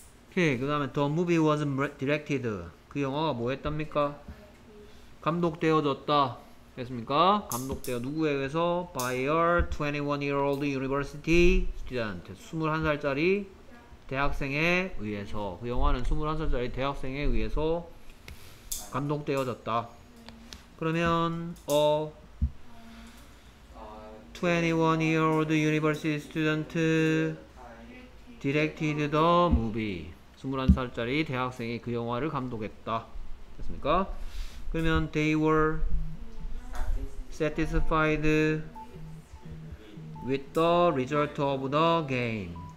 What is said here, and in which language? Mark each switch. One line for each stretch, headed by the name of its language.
Korean: 오케이 그 다음에
English: the movie was directed
Korean: 그 영화가 뭐 했답니까? 감독되어졌다. 됐습니까? 감독대가 누구에 의해서?
English: By a 21-year-old university student.
Korean: 21살짜리 대학생에 의해서. 그 영화는 21살짜리 대학생에 의해서 감독되어졌다. 그러면
English: a 21-year-old university student directed the movie.
Korean: 21살짜리 대학생이 그 영화를 감독했다. 됐습니까? 그러면
English: they were satisfied with the result of the game.